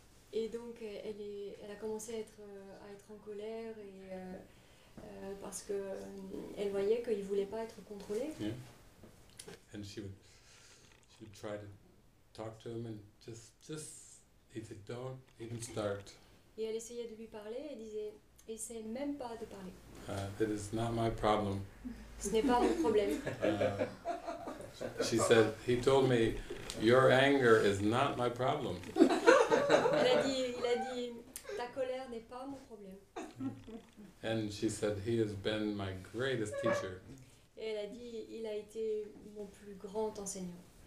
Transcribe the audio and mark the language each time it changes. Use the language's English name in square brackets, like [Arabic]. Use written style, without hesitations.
[French] Et donc elle a commencé à être en colère et parce que elle voyait qu'il voulait pas être contrôlé. [English] Yeah. And she would try to talk to him and just he said don't even start. [French] Et elle essayait de lui parler et disait essaie même pas de parler. [English] It is not my problem. [French] Ce n'est pas mon problème. [English] She said he told me your anger is not my problem. [French] Il a dit ta colère n'est pas mon problème. [English] And she said he has been my greatest teacher. [French] Et elle a dit il a été mon plus grand enseignant.